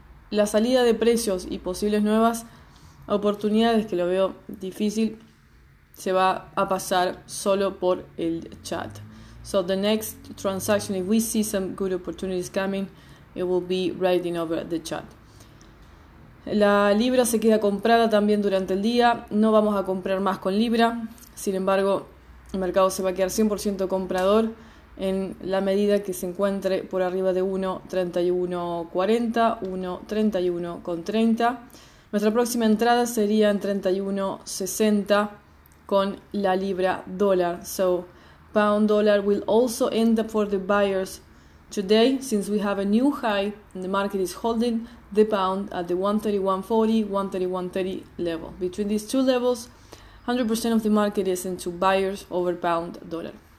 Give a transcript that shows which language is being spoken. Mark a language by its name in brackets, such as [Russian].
[Spanish] La salida de precios y posibles nuevas oportunidades, que lo veo difícil, se va a pasar solo por el chat. [English] So the next transaction, if we see some good opportunities coming, it will be writing over the chat. [Spanish] La libra se queda comprada también durante el día. No vamos a comprar más con libra. Sin embargo, el mercado se va a quedar 100% comprador en la medida que se encuentre por arriba de 1.3140, 1.3130. Nuestra próxima entrada sería en 31.60 con la libra dólar. [English] So, pound dollar will also end up for the buyers today, since we have a new high and the market is holding the pound at the 1.3140, 1.3130 level. Between these two levels, 100% of the market is into buyers over pound dollar.